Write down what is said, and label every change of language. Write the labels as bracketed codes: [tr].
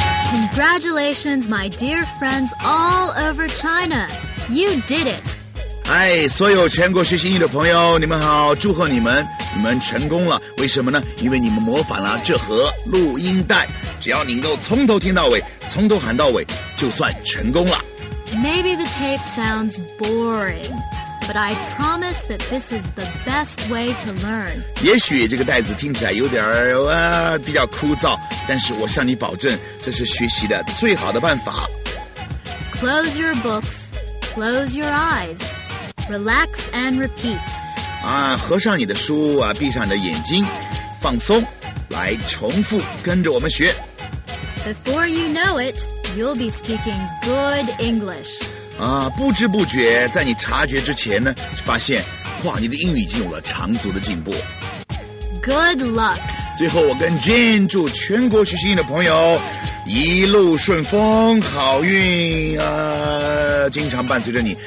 [en] Congratulations, my dear friends all over China. You did it. [zh] 嗨，所有全国学习英语的朋友，你们好，祝贺你们，你们成功了。为什么呢？因为你们模仿了这盒录音带，只要你能够从头听到尾，从头喊到尾，就算成功了。 [en] Maybe the tape sounds boring, but I promise that this is the best way to learn. [zh] 也许这个袋子听起来有点比较枯燥，但是我向你保证，这是学习的最好的办法。 [en] Close your books, close your eyes. Relax and repeat. [zh] 啊，合上你的书啊，闭上你的眼睛，放松，来重复，跟着我们学。 [en] Before you know it, you'll be speaking good English. [zh] 啊，不知不觉，在你察觉之前呢，发现，哇，你的英语已经有了长足的进步。 [en] Good luck. [zh] 最后，我跟 Jane 祝全国学习英语的朋友一路顺风，好运啊！经常伴随着你。